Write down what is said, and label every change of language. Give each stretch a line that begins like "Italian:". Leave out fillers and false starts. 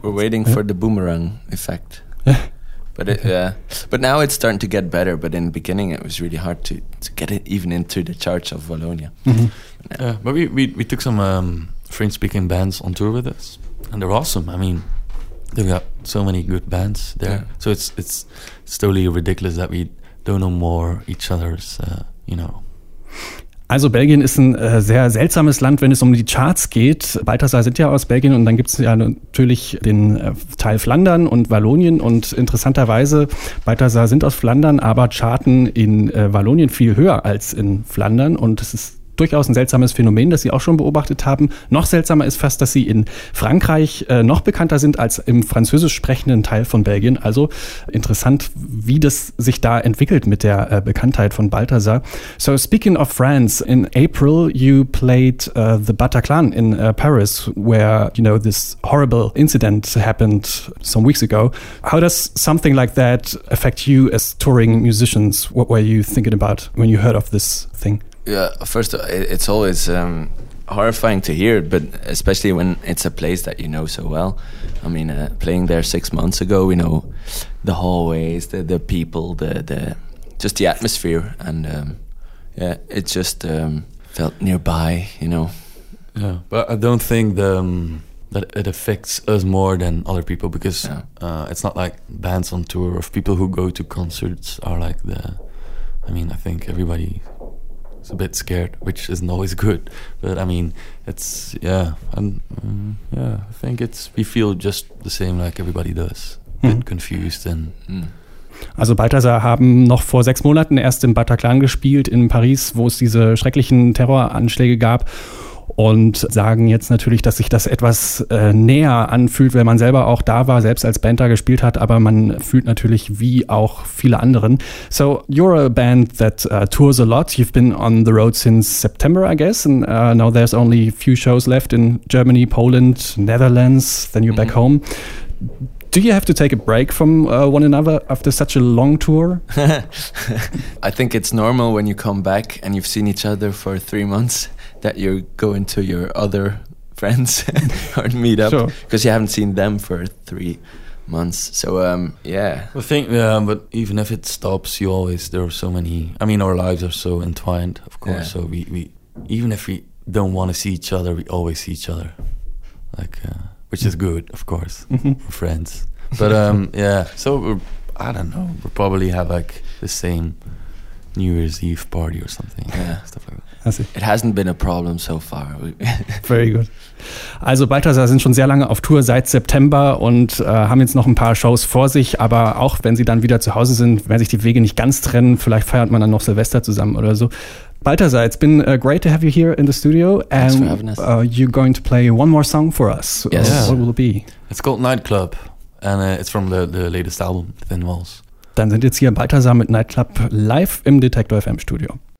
English: We're waiting for the boomerang effect. But but now it's starting to get better, but in the beginning it was really hard to get it even into the charts of Wallonia. Mm-hmm. Yeah, but we took some French speaking bands on tour with us and they're awesome. I mean, they've got so many good bands there. Yeah. So it's totally ridiculous that we don't know more each other's, you know.
German: Also Belgien ist ein sehr seltsames Land, wenn es um die Charts geht. Balthasar sind ja aus Belgien und dann gibt es ja natürlich den Teil Flandern und Wallonien. Und interessanterweise, Balthasar sind aus Flandern, aber charten in Wallonien viel höher als in Flandern. Und es ist durchaus ein seltsames Phänomen, das Sie auch schon beobachtet haben. Noch seltsamer ist fast, dass Sie in Frankreich noch bekannter sind als im französisch sprechenden Teil von Belgien. Also interessant, wie das sich da entwickelt mit der Bekanntheit von Balthasar.
English: So speaking of France, in April you played the Bataclan in Paris, where, you know, this horrible incident happened some weeks ago. How does something like that affect you as touring musicians? What were you thinking about when you heard of this thing? Yeah, first of all, it's always horrifying to hear, but especially when it's a place that you know so well. I mean, playing there 6 months ago, we know the hallways, the people, the just the atmosphere, and it just felt nearby, you know. Yeah, but I don't think that it affects us more than other people, because it's not like bands on tour or people who go to concerts are like the... I mean, I think everybody... a bit scared, which isn't always good, but I mean, it's I think it's, we feel just the same like everybody does, a bit confused and
German: Also Balthasar haben noch vor 6 Monaten erst im Bataclan gespielt in Paris, wo es diese schrecklichen Terroranschläge gab, und sagen jetzt natürlich, dass sich das etwas näher anfühlt, weil man selber auch da war, selbst als Band da gespielt hat, aber man fühlt natürlich wie auch viele anderen.
English: So you're a band that tours a lot. You've been on the road since September, I guess, and now there's only a few shows left in Germany, Poland, Netherlands, then you're back home. Do you have to take a break from one another after such a long tour? I think it's normal when you come back and you've seen each other for 3 months that you go into your other friends or meet up, because sure. you haven't seen them for 3 months. So yeah. I think but even if it stops, you always there are so many. I mean, our lives are so entwined, of course. Yeah. So we even if we don't want to see each other, we always see each other, like which is good, of course, for friends. But yeah, so I don't know. We'll probably have like the same New Year's Eve party or something. Yeah, stuff like that. It hasn't been a problem so far. Very good.
German: Also Balthasar sind schon sehr lange auf Tour, seit September, und haben jetzt noch ein paar Shows vor sich. Aber auch wenn sie dann wieder zu Hause sind, werden sich die Wege nicht ganz trennen. Vielleicht feiert man dann noch Silvester zusammen oder so.
English: Balthasar, it's been great to have you here in the studio. And thanks for having us. You're going to play one more song for us. Yes. What will it be? It's called Nightclub. And it's from the latest album, Thin Walls.
German: Dann sind jetzt hier Balthasar mit Nightclub live im Detektor FM Studio.